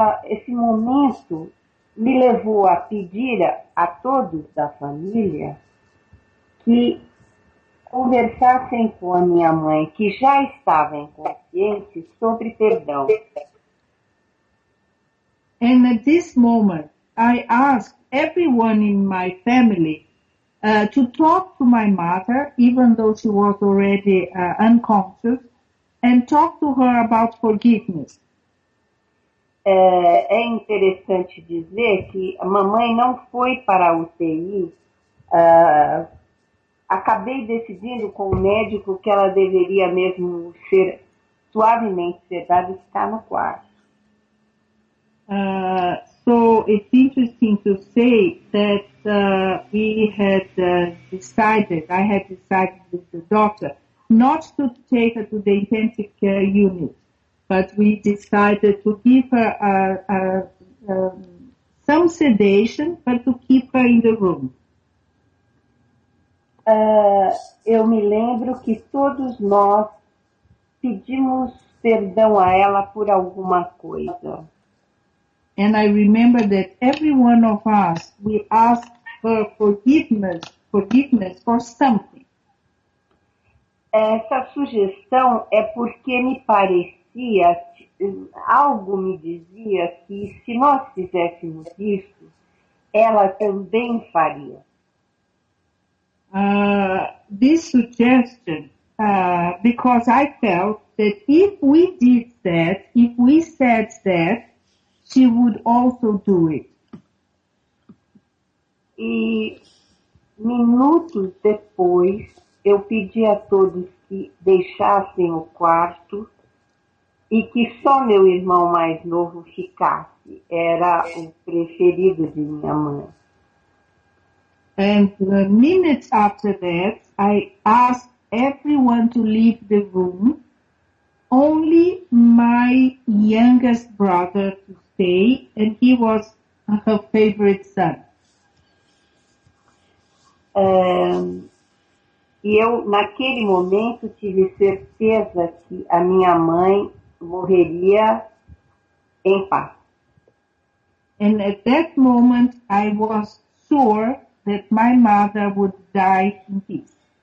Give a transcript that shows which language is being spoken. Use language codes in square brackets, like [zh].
[pt] Esse momento me levou a pedir a todos da família que conversassem com a minha mãe, que já estava inconsciente, sobre perdão. [en] And at this moment, I asked everyone in my family to talk to my mother, even though she was already unconscious, and talk to her about forgiveness. [pt] É interessante dizer que a mamãe não foi para a UTI. Acabei decidindo com o médico que ela deveria mesmo ser suavemente sedada e ficar no quarto. [en] So it's interesting to say that we had decided, I had decided with the doctor, not to take her to the intensive care unit, but we decided to give her some sedation, but to keep her in the room. [pt] Eu me lembro que todos nós pedimos perdão a ela por alguma coisa. [en] And I remember that every one of us, we asked for forgiveness for something. [pt] Essa sugestão é porque me parecia, algo me dizia que se nós fizéssemos isso, ela também faria. [en] This suggestion, because I felt that if we did that, if we said that, she would also do it. [pt] E minutos depois, eu pedi a todos que deixassem o quarto e que só meu irmão mais novo ficasse. Era o preferido de minha mãe. [en] And minutes after that, I asked everyone to leave the room. Only my youngest brother to stay, and he was her favorite son. [pt] E eu, naquele momento, tive certeza que a minha mãe morreria em paz. [en] And at that moment, I was sure that my mother would die in peace.